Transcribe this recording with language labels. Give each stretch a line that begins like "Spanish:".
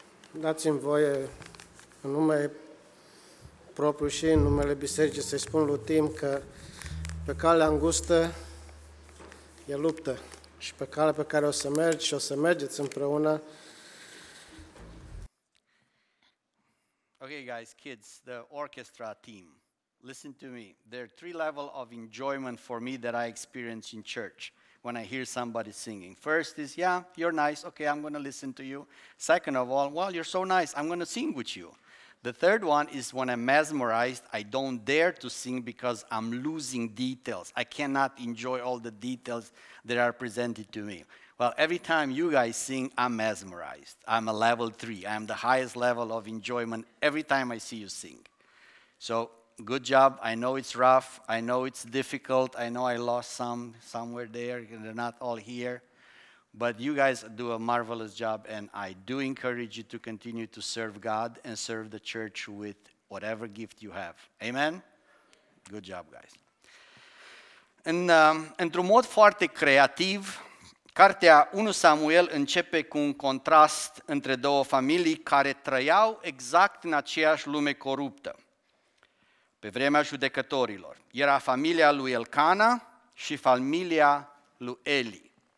Romanian: Dați-mi voie în nume propriu și în numele Bisericii să-i spun lui Tim că pe calea îngustă e luptă și pe calea pe care o să mergi și o să mergeți împreună.
English: Okay, guys, kids, the orchestra team, listen to me. There are three levels of enjoyment for me that I experience in church when I hear somebody singing. First is, yeah, you're nice, okay, I'm going to listen to you. Second of all, well, you're so nice, I'm going to sing with you. The third one is when I'm mesmerized, I don't dare to sing because I'm losing details. I cannot enjoy all the details that are presented to me. Well, every time you guys sing, I'm mesmerized. I'm a level three. I'm the highest level of enjoyment every time I see you sing. So, good job. I know it's rough. I know it's difficult. I know I lost some somewhere there. They're not all here. But you guys do a marvelous job, and I do encourage you to continue to serve God and serve the church with whatever gift you have. Amen? Good job, guys.
Romanian: Într-un mod foarte creativ, cartea 1 Samuel începe cu un contrast între două familii care trăiau exact în aceeași lume coruptă. pe vremea judecătorilor. Era familia lui Elcana și familia lui Eli.